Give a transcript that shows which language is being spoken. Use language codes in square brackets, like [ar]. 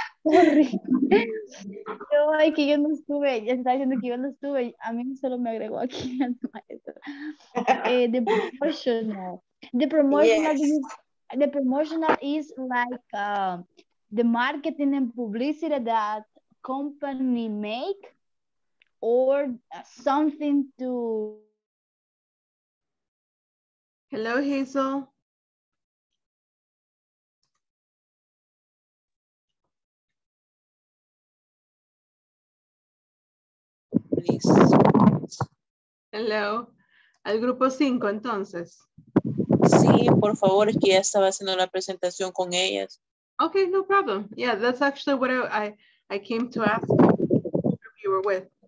[es] Yo, ay, que yo no estuve, ya estaba diciendo que yo no estuve, a mí solo me agregó aquí el maestro. [en] The promotional is like the marketing and publicity that company make or something to. Hello, Hazel. [es] Hello, al grupo 5 entonces. Sí, por favor, es que ya estaba haciendo la presentación con ellas. [en] Okay, no problem. Yeah, that's actually what I came to ask if you were with.